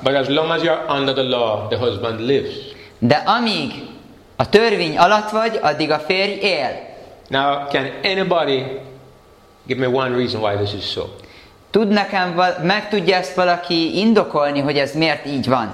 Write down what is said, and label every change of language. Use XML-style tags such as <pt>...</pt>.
<en>But as long as you're under the law, the husband lives.</en> <hu>De amíg a törvény alatt vagy, addig a férj él.</hu> <en>Now, can anybody give me one reason why this is so?</en> <hu>Tud nekem, meg tudja ezt valaki indokolni, hogy ez miért így van?</hu>